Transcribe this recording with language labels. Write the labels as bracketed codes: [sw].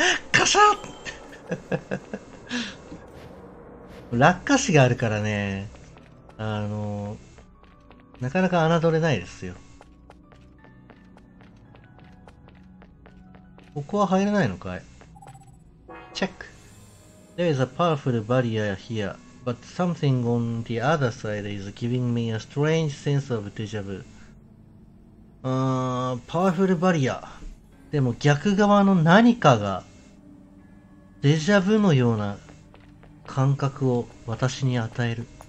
[ja] カシャッ。落下死があるからね、あのなかなか侮れないですよ。ここは入れないのかい？チェック。 [en] There is a powerful barrier here, but something on the other side is giving me a strange sense of déjà vu. パワフルバリア。 [ja] でも逆側の何かが、デジャブのような感覚を私に与える。